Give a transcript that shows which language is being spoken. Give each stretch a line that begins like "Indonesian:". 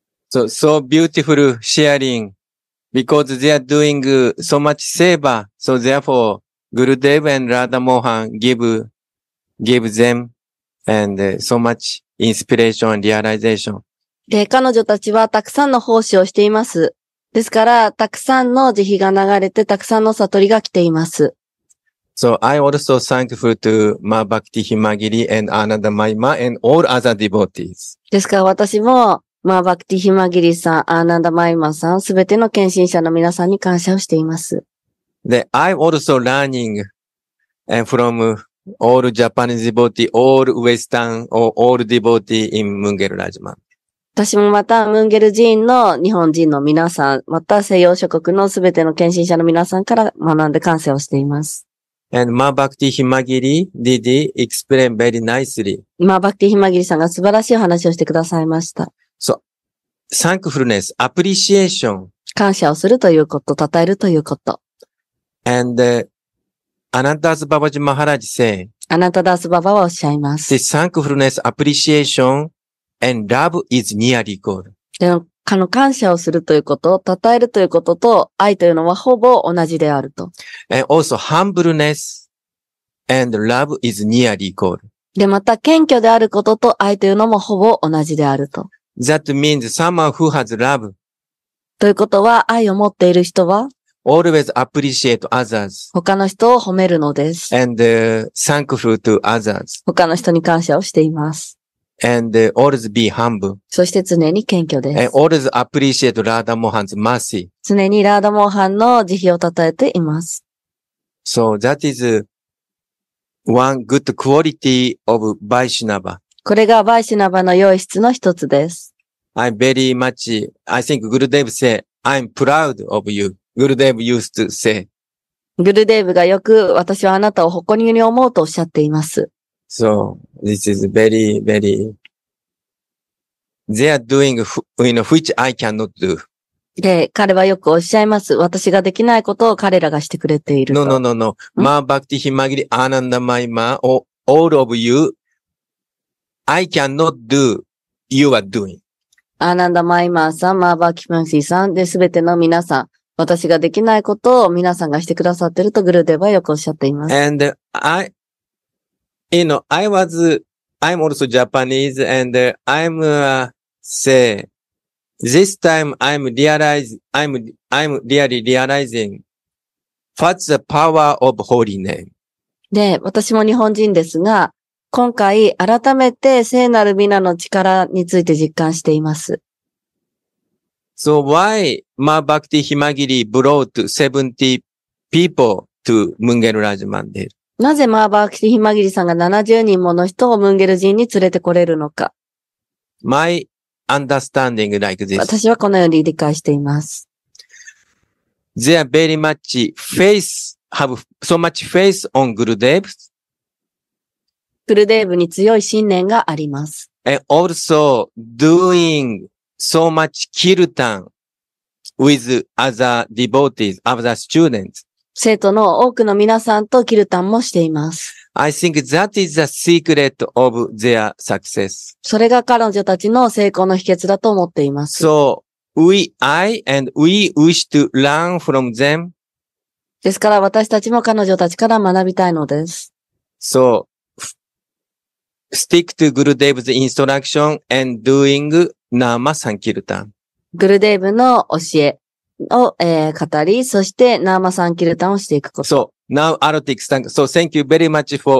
English: So, so beautiful sharing because they are doing so much seva. So therefore, Gurudev and Radha Mohan give them and so much inspiration and realization.
Japanese: で、彼女たちはたくさんの奉仕をしています。ですから、たくさんの慈悲が流れて、たくさんの悟りが来ています。
English: So I also thankful to Ma Bhakti Himagiri and Ananda Mahima and all other devotees.
Japanese: ですから私も、マーバクティヒマギリさん、アーナンダマイマさん、すべての献身者の皆さんに感謝をしています。
English: で、I also learning from all Japanese devotee, all Western or all devotee in Munger Rajman.
Japanese: 私もまた、ムンゲル寺院の日本人の皆さん、また西洋諸国のすべての献身者の皆さんから学んで感謝をしています。
English: And Ma Bhakti Himagiri did explain very nicely.
Japanese: Ma Bhakti Himagiri さんが素晴らしい話をしてくださいました。
English: So, thankfulness, appreciation.
Japanese: 感謝をするということ、称えるということ。
English: And, Anantadas Babaji Maharaj say,
Japanese: Anantadas Baba はおっしゃいます。
English: The thankfulness, appreciation, and love is nearly equal.
Japanese: で、あの、感謝をするということ、称えるということと、愛というのはほぼ同じであると。
English: And also, humbleness and love is nearly equal.
Japanese: で、また、謙虚であることと愛というのもほぼ同じであると。
English: That means someone who has love.
Japanese: ということは、愛を持っている人は、
English: always appreciate others.
Japanese: 他の人を褒めるのです。
English: And thankful to others.
Japanese: 他の人に感謝をしています。
English: And always be humble.
Japanese: そして常に謙虚です。
English: And always appreciate Radha Mohan's mercy.
Japanese: 常にラーダモハンの慈悲を称えています。
English: So that is one good quality of Vaishnava.
Japanese: これがバイシナバの良い質の一つです。
English: I'm very much, I think Gurudev say, I'm proud of you. Gurudev used to say.
Japanese: Gurudev がよく私はあなたを誇りに思うとおっしゃっています。
English: So, this is very, very, they are doing, you know, which I cannot do.
Japanese: で、彼はよくおっしゃいます。私ができないことを彼らがしてくれていると
English: 。 No, no, no, no. Ma Bhakti Himagiri Ananda Mahima, all of you,I cannot do, you are doing.
Japanese: アナンダマイマーさん、マーバーキムシーさん、で、すべての皆さん、私ができないことを皆さんがしてくださってると、グルデヴァよくおっしゃっています。
English: And I, you know, I was, I'm also Japanese, and I'm, say, this time I'm realize, I'm really realizing, what's the power of holy name?
Japanese: で、私も日本人ですが、今回、改めて、聖なる皆の力について実感しています。
English: So why Ma Bhakti Himagiri brought 70 people to Munger Rajmandir?
Japanese: なぜ Ma Bhakti Himagiri さんが70人もの人をムンゲル人に連れてこれるのか
English: ?My understanding like this.
Japanese: 私はこのように理解しています。
English: They are very much faith, have so much faith on Gurudev.
Japanese: クルデーブに強い信念があります。
English: And also doing so much kirtan with other devotees, other students.
Japanese: 生徒の多くの皆さんとキルタンもしています。
English: I think that is the secret of their success.
Japanese: それが彼女たちの成功の秘訣だと思っています。
English: So I and we wish to learn from them.
Japanese: ですから私たちも彼女たちから学びたいのです。
English: So,Stick to Gurudev's instruction and doing Nama Sankirtan.
Japanese: Gurudev の教え、を、語り、そしてナーマさんキルタンをしていくこと。そう。
English: Now, Arctic, thank you. So, thank you very much for